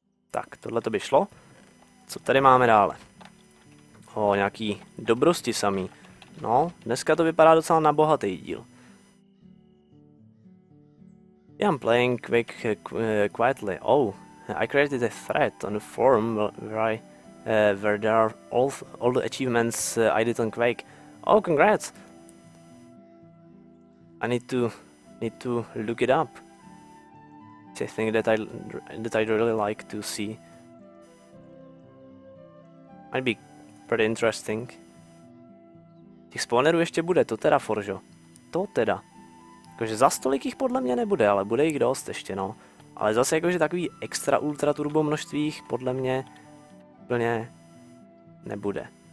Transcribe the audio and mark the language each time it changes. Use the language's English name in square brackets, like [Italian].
[Czech] Tak, tohle to by šlo. Co tady máme dále? O, nějaký dobrosti samý. No, dneska to vypadá docela na bohatý díl. [English] I'm playing quick, quietly. Oh, I created a thread on a forum where I... where there are all the achievements I did on Quake. Oh, congrats! I need to look it up. It's a thing that I'd really like to see. Might be pretty interesting. [Czech] Těch spawnerů ještě bude, to teda, Foržo. To teda. Jakože za stolik jich podle mě nebude, ale bude jich dost ještě, no. Ale zase jakože takový extra ultra turbo množství jich podle mě úplně nebude.